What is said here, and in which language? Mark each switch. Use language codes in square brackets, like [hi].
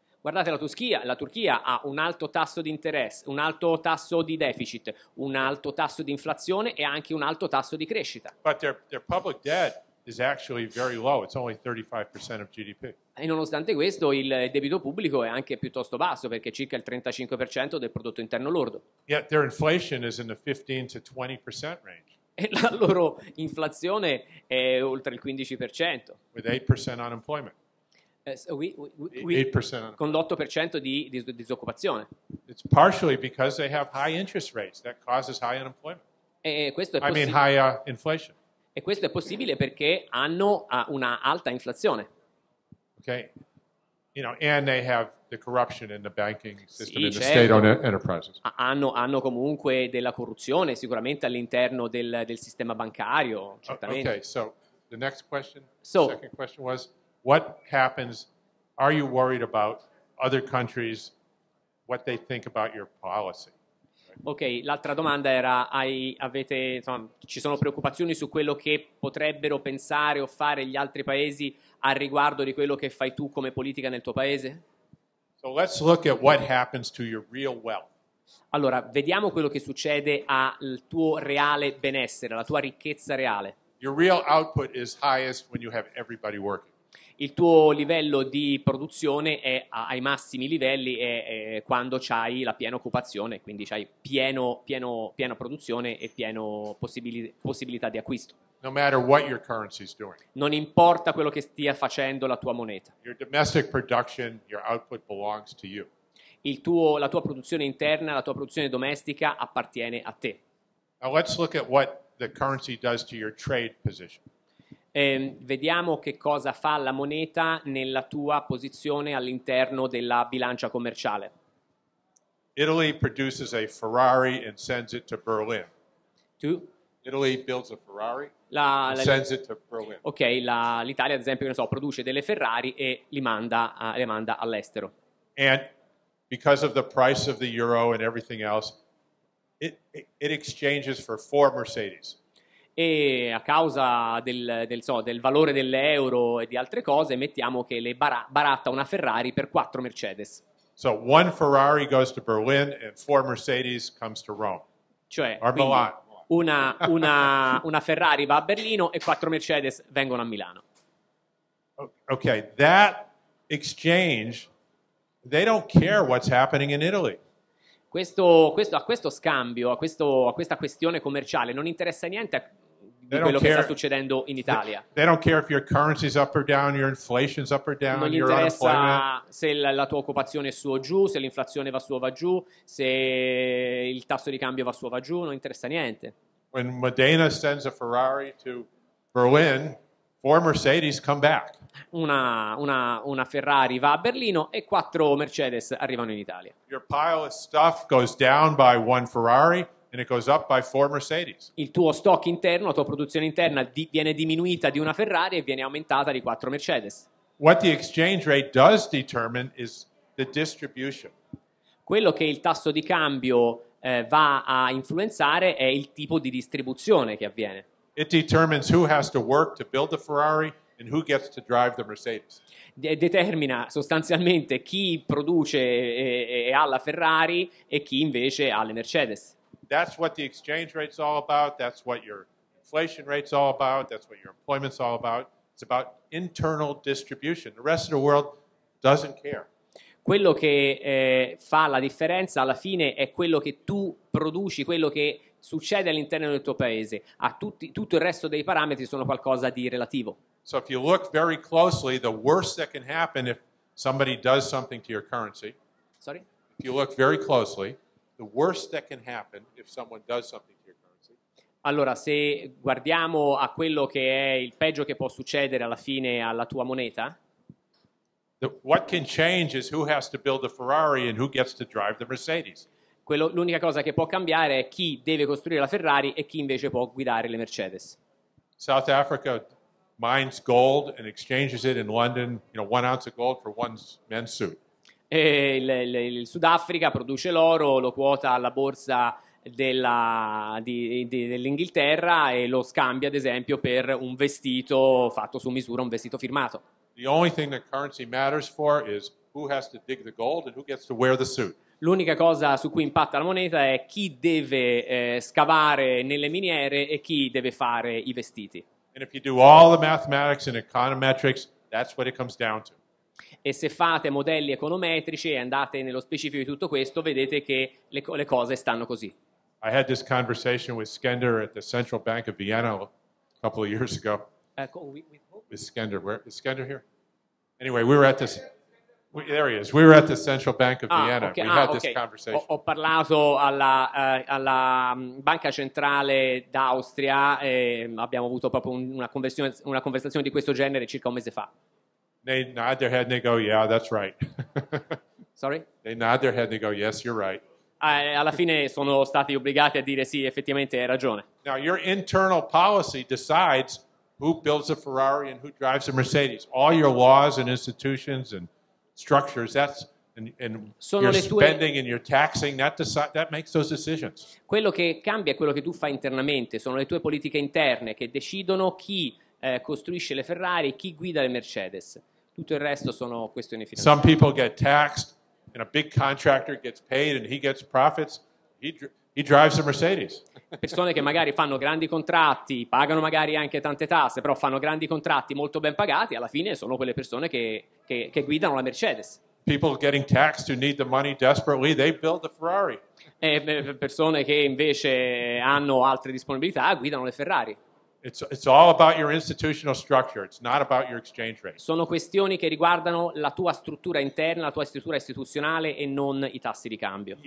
[it] Guardate la Turchia ha un alto tasso di interesse, un alto tasso di deficit, un alto tasso di inflazione e anche un alto tasso di crescita. [en] But their public debt is actually very low. It's only 35% of GDP. [it] E nonostante questo, il debito pubblico è anche piuttosto basso, perché è circa il 35% del prodotto interno lordo. [en] Yet their inflation is in the 15 to 20% range. [it] E la loro inflazione è oltre il 15%. [en] With 8% unemployment. [it] Con l'8% di disoccupazione. [en] It's partially because they have high interest rates that causes high unemployment. High inflation. [it] E questo è possibile perché hanno una alta inflazione. [en] Okay. You know, and they have the corruption in the banking system, [it] sì, certo, [en] in the state-owned enterprises. [it] Hanno comunque della corruzione sicuramente all'interno del sistema bancario, certamente. [en] Okay, so the next question, second question was, what happens, are you worried about other countries, what they think about your policy? [it] Ok, l'altra domanda era, ci sono preoccupazioni su quello che potrebbero pensare o fare gli altri paesi a riguardo di quello che fai tu come politica nel tuo paese? [en] So let's look at what happens to your real wealth. [it] Allora, vediamo quello che succede al tuo reale benessere, alla tua ricchezza reale. [en] Your real output is highest when you have everybody working. [it] Il tuo livello di produzione è ai massimi livelli è quando c'hai la piena occupazione, quindi c'hai piena produzione e piena possibilità di acquisto. [en] No matter what your currency is doing. [it] Non importa quello che stia facendo la tua moneta. [en] Your domestic production, your output belongs to you. [it] La tua produzione interna, la tua produzione domestica appartiene a te. [en] Now let's look at what the currency does to your trade position. [it] Vediamo che cosa fa la moneta nella tua posizione all'interno della bilancia commerciale. [en] Italy produces a Ferrari and sends it to Berlin. Italy builds a Ferrari and sends it to Berlin. [it] Ok, l'Italia, ad esempio, produce delle Ferrari e le manda all'estero. [en] And because of the price of the euro and everything else, it exchanges for 4 Mercedes. [it] E a causa del valore dell'euro e di altre cose, mettiamo che le baratta una Ferrari per 4 Mercedes. [en] So one Ferrari goes to Berlin and 4 Mercedes comes to Rome. [it] Cioè, [en] or Milan. [it] Una Ferrari va a Berlino e 4 Mercedes vengono a Milano. [en] Okay, that exchange, they don't care what's happening in Italy. [it] A questa questione commerciale non interessa niente di quello che sta succedendo in Italia. [en] They don't care if your currency is up or down, your inflation is up or down, your unemployment. [it] Non interessa se la tua occupazione è su o giù, se l'inflazione va su o va giù, se il tasso di cambio va su o va giù, non interessa niente. [en] When Modena sends a Ferrari to Berlin, 4 Mercedes come back. [it] Una Ferrari va a Berlino e 4 Mercedes arrivano in Italia. [en] Your pile of stuff goes down by one Ferrari and it goes up by 4 Mercedes. [it] Il tuo stock interno, la tua produzione interna viene diminuita di una Ferrari e viene aumentata di 4 Mercedes. [en] What the exchange rate does determine is the distribution. [it] Quello che il tasso di cambio va a influenzare è il tipo di distribuzione che avviene. [en] It determines who has to work to build the Ferrari and who gets to drive the Mercedes. [it] Determina sostanzialmente chi produce e ha la Ferrari e chi invece ha le Mercedes. [en] That's what the exchange rate's all about, that's what your inflation rate's all about, that's what your employment's all about. It's about internal distribution. The rest of the world doesn't care. [it] Quello che fa la differenza alla fine è quello che tu produci, quello che succede all'interno del tuo paese. A tutto il resto dei parametri sono qualcosa di relativo. [en] So if you look very closely, the worst that can happen if somebody does something to your currency. Sorry? If you look very closely, the worst that can happen if someone does something to your currency. [it] Allora, se guardiamo a quello che è il peggio che può succedere alla fine alla tua moneta. [en] What can change is who has to build the Ferrari and who gets to drive the Mercedes. [it] L'unica cosa che può cambiare è chi deve costruire la Ferrari e chi invece può guidare le Mercedes. [en] South Africa mines gold and exchanges it in London, you know, 1 ounce of gold for one men's suit. [it] E il Sudafrica produce l'oro, lo quota alla borsa dell'Inghilterra e lo scambia, ad esempio, per un vestito fatto su misura, un vestito firmato. [en] The only thing that currency matters for is who has to dig the gold and who gets to wear the suit. [it] L'unica cosa su cui impatta la moneta è chi deve scavare nelle miniere e chi deve fare i vestiti. [en] And if you do all the mathematics and econometrics, that's what it comes down to. [it] E se fate modelli econometrici e andate nello specifico di tutto questo, vedete che le cose stanno così. [en] I had this conversation with Skender at the Central Bank of Vienna a couple of years ago. With Skender, where is Skender here? Anyway, we were at this. There he is. We were at the Central Bank of Vienna. Okay. We had this conversation. [it] Ho parlato alla banca centrale d'Austria e abbiamo avuto proprio una conversazione di questo genere circa un mese fa. [en] They nod their head and they go, "Yeah, that's right." Sorry? They nod their head and they go, "Yes, you're right." [it] Alla fine sono stati obbligati a dire sì, effettivamente hai ragione. [en] Now your internal policy decides who builds a Ferrari and who drives a Mercedes. All your laws and institutions and structures, that's and [it] sono [en] your [it] le tue... [en] spending and your taxing, that makes those decisions. [it] Quello che cambia è quello che tu fai internamente, sono le tue politiche interne che decidono chi costruisce le Ferrari, chi guida le Mercedes. Tutto il resto sono questioni finanziarie. [en] Some people get taxed and a big contractor gets paid and he gets profits, he drives a Mercedes. [it] Persone che magari fanno grandi contratti, pagano magari anche tante tasse, però fanno grandi contratti molto ben pagati, alla fine sono quelle persone che guidano la Mercedes. [en] People getting taxed who need the money desperately, they build the Ferrari. [it] E persone che invece hanno altre disponibilità guidano le Ferrari. [en] It's all about your institutional structure. It's not about your exchange rate. [it] Sono questioni che riguardano la tua struttura interna, la tua struttura istituzionale e non i tassi di cambio.